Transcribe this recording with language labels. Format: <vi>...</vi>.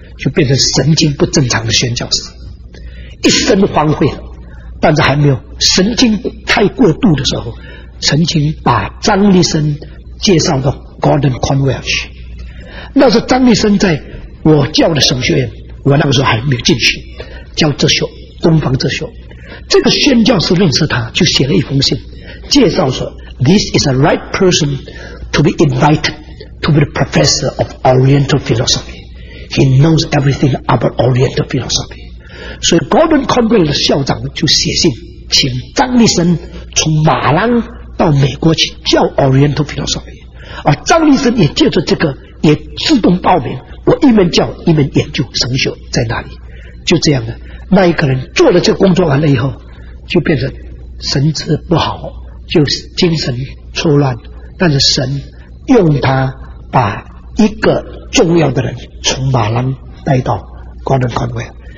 <zh>就变成神经不正常的宣教士，一身荒废了，但是还没有神经太过度的时候，曾经把张立生介绍到 Gordon Conwell 去。那是张立生在我教的神学院，我那个时候还没有进去，叫哲学，东方哲学。这个宣教士认识他，就写了一封信介绍说</zh> <en>This is a right person to be invited to be the professor of Oriental philosophy. He knows everything about Oriental philosophy.</en> <zh>所以 Gordon Conwell 的校长就写信请张立生从马兰到美国去教 Oriental philosophy。而张立生也借着这个也自动报名，我一面教一面研究神学在哪里。就这样的，那一个人做了这个工作完了以后，就变成神志不好，就精神错乱，但是神用他把一个重要的人从马兰带到 Gordon Conwell。</zh>